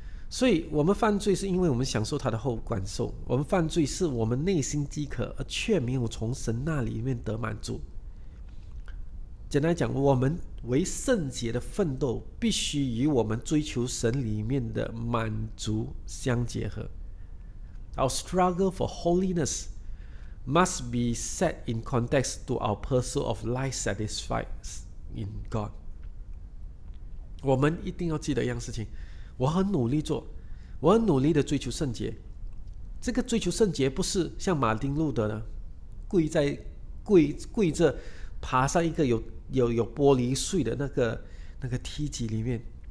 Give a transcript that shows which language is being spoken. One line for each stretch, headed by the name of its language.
Chinese: 所以我们犯罪是因为我们享受他的后感受，我们犯罪是我们内心饥渴而却没有从神那里面得满足。简单讲，我们为圣洁的奋斗必须与我们追求神里面的满足相结合。
English: Our struggle for holinessmust be set in context to our pursuit of life satisfied in God.
Chinese: 我们一定要记得一样事情，我很努力做，我很努力的追求圣洁。这个追求圣洁不是像马丁路德呢，跪着爬上一个有玻璃碎的那个梯级里面。